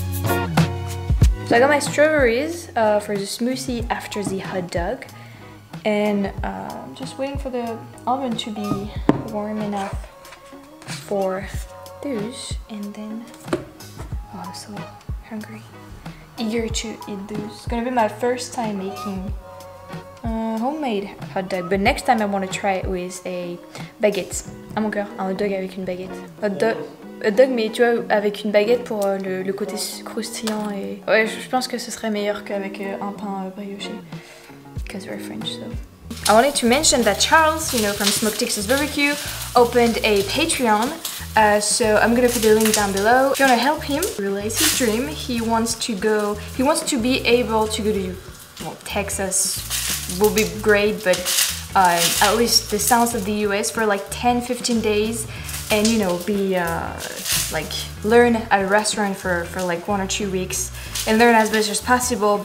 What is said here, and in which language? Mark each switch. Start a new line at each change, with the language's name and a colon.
English: So I got my strawberries for the smoothie after the hot dog, and I'm just waiting for the oven to be warm enough for those, and then oh, I'm so hungry, eager to eat those. It's gonna be my first time making homemade hot dog, but next time I want to try it with a baguette.
French: Ah mon cœur, un hot dog avec une baguette. Hot dog, mais tu vois, avec une baguette pour le côté croustillant et. Ouais, je pense que ce serait meilleur qu'avec un pain brioché.
English: Because we're French, so. I wanted to mention that Charles, you know, from Smoke Texas Barbecue, opened a Patreon. So I'm gonna put the link down below. If you wanna help him realize his dream, he wants to be able to go to, well, Texas. Will be great, but at least the south of the US for like 10-15 days, and you know, be like learn at a restaurant for like 1 or 2 weeks and learn as much as possible.